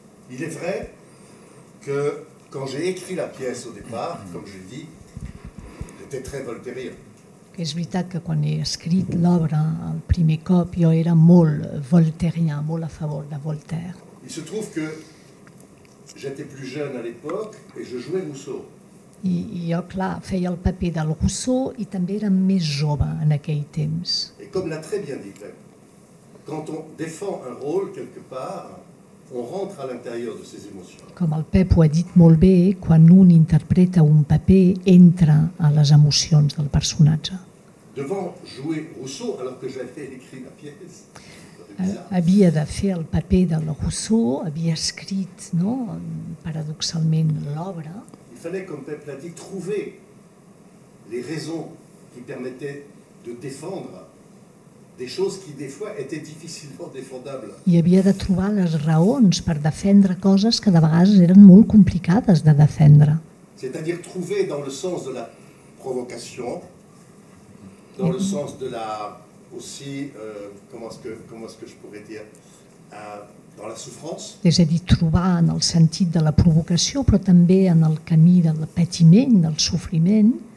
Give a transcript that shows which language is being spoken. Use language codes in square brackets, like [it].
[fr] Il est vrai que quand j'ai écrit la pièce au départ, comme je l'ai dit, j'étais très Voltairien. [ca] Que és veritat que quan he escrit l'obra el primer cop jo era molt voltairien, molt a favor de Voltaire. [fr] Il se trouve que j'étais plus jeune à l'époque et je jouais Rousseau. [ca] I jo, clar, feia el paper del Rousseau i també era més jove en aquell temps. [fr] Et comme l'a très bien dit, quand on défend un rôle quelque part, on rentre à l'intérieur de ses émotions. [ca] Com el Pep ho ha dit molt bé, quan un interpreta un paper, entra a les emocions del personatge. [fr] Devant jouer Rousseau, alors que j'avais écrit la pièce, [ca] havia de fer el paper de la Rousseau, havia escrit, no, paradoxalment, l'obra. [fr] Il fallait, comme Pep l'a dit, trouver les raisons qui permettaient de défendre des choses qui, des fois, étaient difficilement défendables. [ca] I havia de trobar les raons per defendre coses que, de vegades, eren molt complicades de defendre. [fr] C'est-à-dire trouver dans le sens de la provocation, dans le sens de la... aussi, comment est-ce que je pourrais dire, dans la souffrance. [ca] És a dir, trobar en el sentit de la provocació, però també en el camí del patiment, del sofriment.